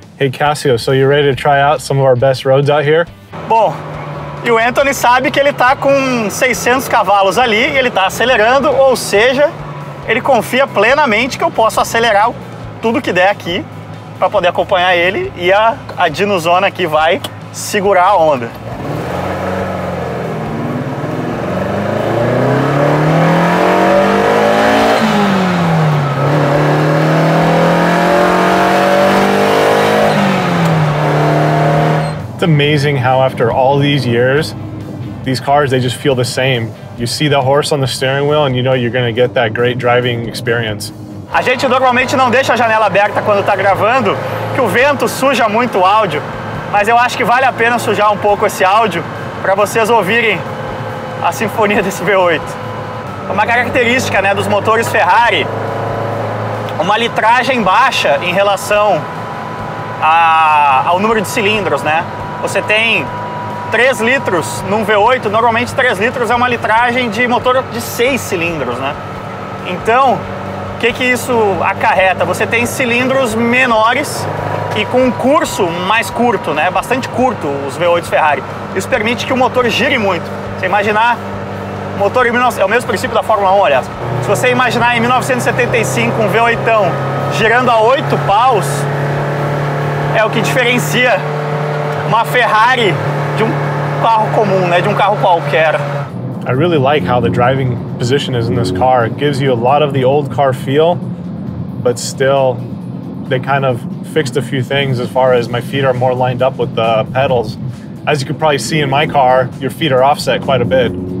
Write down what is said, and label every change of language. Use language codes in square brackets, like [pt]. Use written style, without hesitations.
[en] Hey Cassio, so you ready to try out some of our best roads out here? [pt] Bom, e o Anthony sabe que ele tá com 600 cavalos ali e ele tá acelerando, ou seja, ele confia plenamente que eu posso acelerar tudo que der aqui para poder acompanhar ele e a Dinozona aqui vai segurar a onda. [en] It's amazing how after all these years, these cars, they just feel the same. You see the horse on the steering wheel and you know you're gonna get that great driving experience. [pt] A gente normalmente não deixa a janela aberta quando tá gravando, que o vento suja muito o áudio, mas eu acho que vale a pena sujar um pouco esse áudio para vocês ouvirem a sinfonia desse V8. Uma característica, né, dos motores Ferrari, uma litragem baixa em relação ao número de cilindros, né? Você tem 3 litros num V8, normalmente 3 litros é uma litragem de motor de 6 cilindros, né? Então, o que isso acarreta? Você tem cilindros menores e com um curso mais curto, né? Bastante curto os V8 Ferrari. Isso permite que o motor gire muito. Você imaginar, motor em 19... é o mesmo princípio da Fórmula 1, aliás. Se você imaginar em 1975 um V8 girando a 8 paus, é o que diferencia uma Ferrari de um carro comum, né? De um carro qualquer. [en] I really like how the driving position is in this car. It gives you a lot of the old car feel, but still, they kind of fixed a few things as far as my feet are more lined up with the pedals. As you can probably see in my car, your feet are offset quite a bit.